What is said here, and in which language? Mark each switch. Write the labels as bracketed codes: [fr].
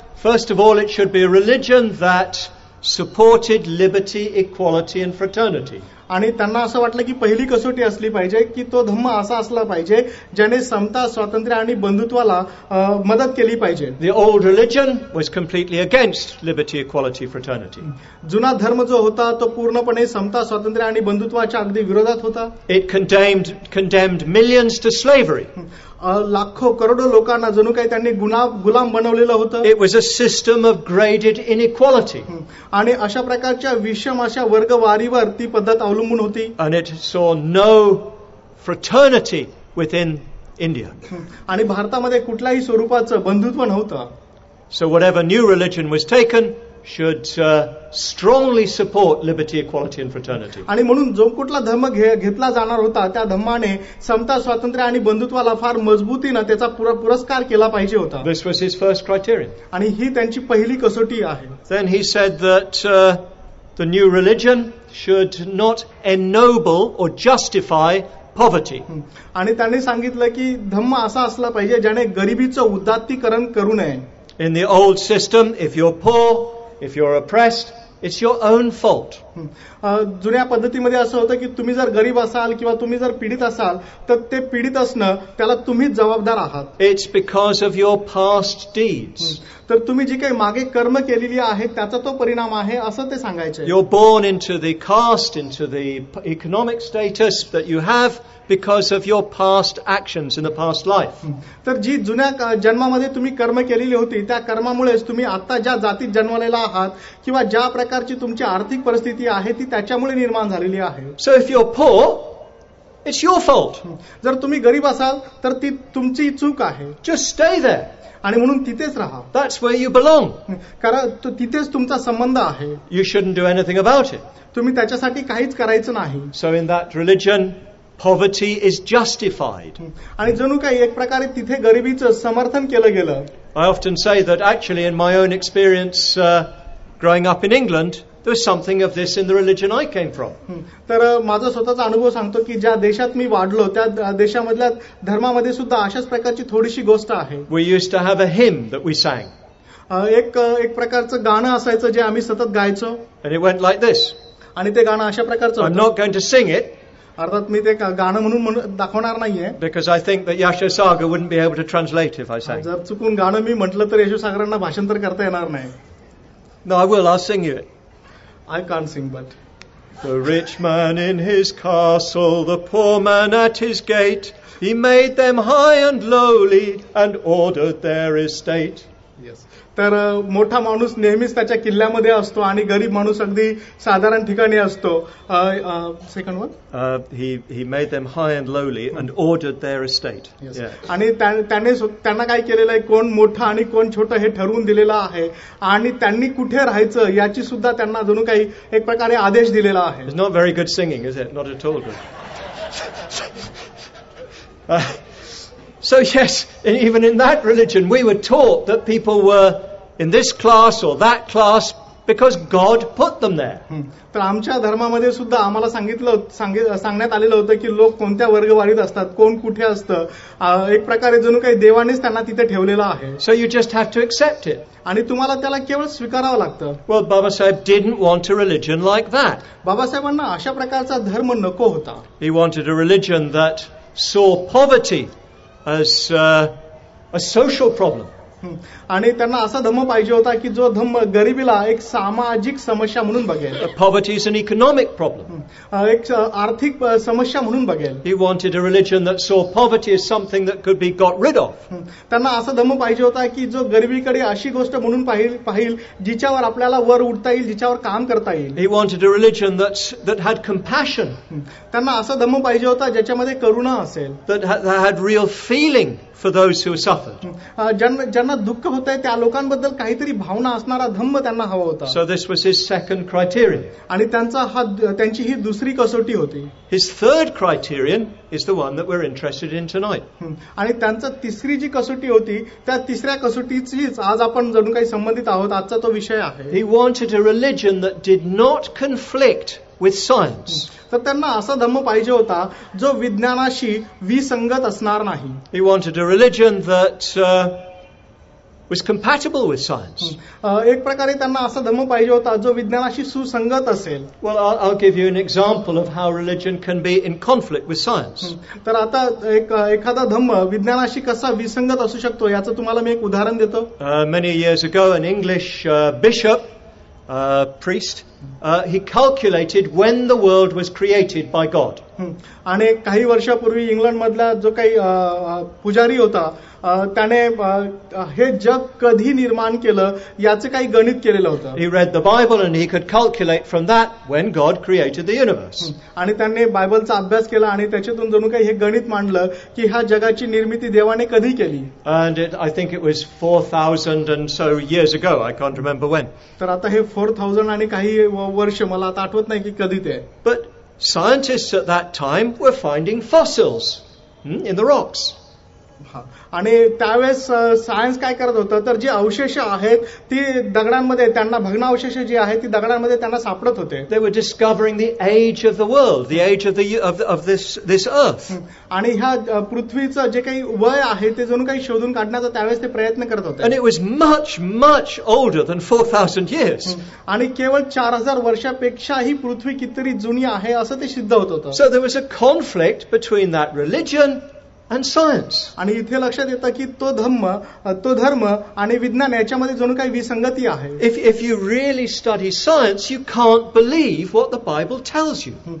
[en] First of all, it should be a religion that supported liberty, equality and fraternity. [mr] आणि त्यांना असं वाटलं की पहिली कसोटी असली पाहिजे की तो धम्म असा असला पाहिजे ज्याने समता, स्वातंत्र्य आणि बंधुत्वाला मदत केली पाहिजे. [en] The old religion was completely against liberty, equality, fraternity. [mr] जुना धर्म जो होता तो पूर्णपणे समता, स्वातंत्र्य आणि बंधुत्वाच्या अगदी विरोधात होता. [en] It condemned millions to slavery. [mr] लाखो करोडो लोकांना जणू काही त्यांनी गुलाम बनवलेलं होतं. [en] It was a system of graded inequality. [mr] आणि अशा प्रकारच्या विषम अशा वर्गवारीवर ती पद्धत अवलंबून होती. [en] And it saw no fraternity within India. [mr] आणि भारतामध्ये कुठल्याही स्वरूपाचं बंधुत्व नव्हतं. [en] So whatever new religion was taken should strongly support liberty, equality and fraternity. [mr] आणि म्हणून जो कुठला धर्म घेतला जाणार होता त्या धर्माने समता, स्वातंत्र्य आणि बंधुत्वाला फार मजबूतीने त्याचा पुरस्कार केला पाहिजे होता. [en] This was his first criterion. [mr] आणि ही त्यांची पहिली कसोटी आहे. [en] Then he said that the new religion should not ennoble or justify poverty. [mr] आणि त्यांनी सांगितलं की धम्म असा असला पाहिजे ज्याने गरिबीचं उदात्तीकरण करू नये. [en] In the old system, if you're poor, if you're oppressed, it's your own fault. [mr] जुन्या पद्धतीमध्ये असं होतं की तुम्ही जर गरीब असाल किंवा तुम्ही जर पीडित असाल तर ते पीडित असणं त्याला तुम्हीच जबाबदार आहात. [en] It's because of your past deeds. [mr] तर तुम्ही जी काही मागे कर्म केलेली आहे त्याचा तो परिणाम आहे असं ते सांगायचे. [en] You're born into the caste, into the economic status that you have because of your past actions in the past life. [mr] तर जी जुन्या जन्मामध्ये तुम्ही कर्म केलेली होती त्या कर्मामुळेच तुम्ही आता ज्या जातीत जन्मलेला आहात किंवा ज्या प्रकारची तुमची आर्थिक परिस्थिती आहे ती त्याच्यामुळे निर्माण झालेली आहे. [en] So if you're poor, it's your fault. [mr] जर तुम्ही गरीब असाल तर ती तुमची चूक आहे. [en] Just stay there. [mr] आणि म्हणून तिथेच राहा. [en] That's where you belong. [mr] कारण तिथेच तुमचा संबंध आहे. [en] You shouldn't do anything about it. [mr] तुम्ही त्याच्यासाठी काहीच करायचं नाही. [en] So in that religion, poverty is justified. [mr] आणि जणू काही एक प्रकारे तिथे गरिबीचं समर्थन केलं गेलं. [en] I often say that actually in my own experience growing up in England, there was something of this in the religion I came from. [mr] तर माझा स्वतःचा अनुभव सांगतो की ज्या देशात मी वाढलो त्या देशामधल्या धर्मामध्ये सुद्धा अशाच प्रकारची थोडीशी गोष्ट आहे. [en] We used to have a hymn that we sang. [mr] एक प्रकारचं गाणं असायचं जे आम्ही सतत गायचो. [en] And it went like this. [mr] आणि ते गाणं अशा प्रकारचं होतं. [en] I'm not going to sing it. [mr] अर्थात मी ते गाणं म्हणून दाखवणार नाहीये. [en] Because I think that Yashu Sagar wouldn't be able to translate if I sang. [mr] जर चुकून गाणं मी म्हटलं तर यशू सागरांना भाषांतर करता येणार नाही. [en] No, I will. I'll sing it. I can't sing, but... The rich man in his castle, the poor man at his gate, he made them high and lowly and ordered their estate. Yes. [mr] तर मोठा माणूस नेहमीच त्याच्या किल्ल्यामध्ये असतो आणि गरीब माणूस अगदी साधारण ठिकाणी असतो. [en] Second one. He made them high and lowly and ordered their estate. [mr] आणि त्याने त्यांना काय केलेलं आहे, कोण मोठा आणि कोण छोटा हे ठरवून दिलेलं आहे आणि त्यांनी कुठे राहायचं याची सुद्धा त्यांना जणू काही एक प्रकारे आदेश दिलेला आहे. [en] It's not very good singing, is it? Not at all. So yes, even in that religion, we were taught that people were in this class or that class because God put them there. [mr] तर आमच्या धर्मामध्ये सुद्धा आम्हाला सांगण्यात आलेलं होतं की लोक कोणत्या वर्गवारीत असतात, कोण कुठे असतं, एक प्रकारे जणू काही देवानेच त्यांना तिथे ठेवलेलं आहे. [en] So you just have to accept it. [mr] आणि तुम्हाला त्याला केवळ स्वीकारावं लागतं. [en] Well, Babasaheb didn't want a religion like that. [mr] बाबासाहेबांना अशा प्रकारचा धर्म नको होता. [en] He wanted a religion that saw poverty as a social problem. [mr] आणि त्यांना असा धम्म पाहिजे होता की जो धम्म गरिबीला एक सामाजिक समस्या म्हणून बघेल. [en] Poverty is an economic problem. [mr] एक आर्थिक समस्या म्हणून बघेल. [en] He wanted a religion that saw poverty as something that could be got rid of. [mr] त्यांना असा धम्म पाहिजे होता की जो गरिबीकडे अशी गोष्ट म्हणून पाहिल जिच्यावर आपल्याला वर उठता येईल, जिच्यावर काम करता येईल. [en] He wanted a religion that had compassion. [mr] त्यांना असा धम्म पाहिजे होता ज्याच्यामध्ये करुणा असेल. [en] That had real feeling for those who suffered. [mr] ज्यांना दुःख होत आहे त्या लोकांबद्दल काहीतरी भावना असणारा धम्म त्यांना हवा होता. [en] So this was his second criterion. [mr] आणि त्यांचा हा त्यांची ही दुसरी कसोटी होती. [en] His third criterion is the one that we're interested in tonight. [mr] आणि त्यांचा तिसरी जी कसोटी होती त्या तिसऱ्या कसोटीचीच आज आपण जणू काही संबंधित आहोत, आजचा तो विषय आहे. [en] He wanted a religion that did not conflict with science. [mr] तर त्यांना असा धम्म पाहिजे होता जो विज्ञानाशी विसंगत असणार नाही. [en] He wanted a religion that was compatible with science. [mr] एक प्रकारे त्यांना असा धम्म पाहिजे होता जो विज्ञानाशी सुसंगत असेल. [en] Well, I'll give you an example of how religion can be in conflict with science. [mr] तर आता एखादा धम्म विज्ञानाशी कसा विसंगत असू शकतो याचं तुम्हाला मी एक उदाहरण देतो. [en] Many years ago, an English bishop, priest, he calculated when the world was created by God. [mr] आणि काही वर्षापूर्वी इंग्लंड मधला जो काही पुजारी होता त्याने हे जग कधी निर्माण केलं याचं काही गणित केलेलं होतं. [en] He read the Bible and he could calculate from that when God created the universe. [mr] आणि त्याने बायबलचा अभ्यास केला आणि त्याच्यातून जणू काही हे गणित मांडलं की ह्या जगाची निर्मिती देवाने कधी केली. [en] And I think it was 4000 and so years ago, I can't remember when. [mr] तर आता हे 4000 आणि काही वर्ष मला आता आठवत नाही की कधी ते. [en] But scientists at that time were finding fossils in the rocks. [mr] आणि त्यावेळेस सायन्स काय करत होतं तर जे अवशेष आहेत ती दगडांमध्ये त्यांना भग्न अवशेष जे आहेत ती दगडांमध्ये त्यांना सापडत होते. [en] They were discovering the age of the world, the age of the of this earth. [mr] आणि ह्या पृथ्वीचं जे काही वय आहे ते जणू काही शोधून काढण्याचा त्यावेळेस ते प्रयत्न करत होते. [en] And it was much much older than 4000 years. [mr] आणि केवळ 4000 वर्षापेक्षाही पृथ्वी कितीतरी जुनी आहे असं ते सिद्ध होत होतं. [en] So there was a conflict between that religion and science. [mr] आणि इथे लक्षात येतं की तो धर्म आणि विज्ञान याच्यामध्ये जणू काही विसंगती आहे. [en] If you really study science, you can't believe what the Bible tells you.